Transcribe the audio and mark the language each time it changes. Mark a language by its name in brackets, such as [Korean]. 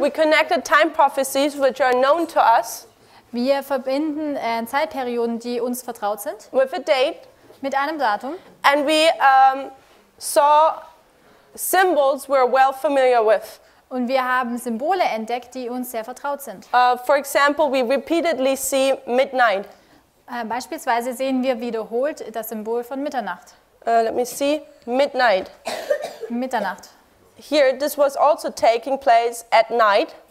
[English] We connected time prophecies which are known to us. [German] Wir verbinden Zeitperioden, die uns vertraut sind. [English] With a date. [German] Mit einem Datum. [English] And we saw symbols we're well familiar with. [German] Und wir haben Symbole entdeckt, die uns sehr vertraut sind. [English] For example, we repeatedly see midnight. [German] Beispielsweise sehen wir wiederholt das Symbol von Mitternacht. [English] Let me see. Midnight. [German] Mitternacht. [English] Here, this was also taking place at night.